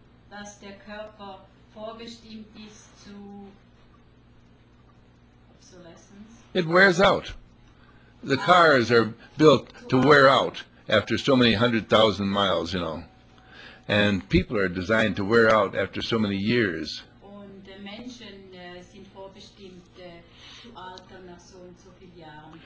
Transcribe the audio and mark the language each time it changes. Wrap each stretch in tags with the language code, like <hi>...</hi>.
<de>Dass der Körper vorbestimmt ist zu obsolescence.</de> <en>It wears out. The cars are built to wear out after so many 100,000 miles, you know. And people are designed to wear out after so many years.</en> <de>Menschen sind vorbestimmt zu altern nach so und so vielen Jahren.</de>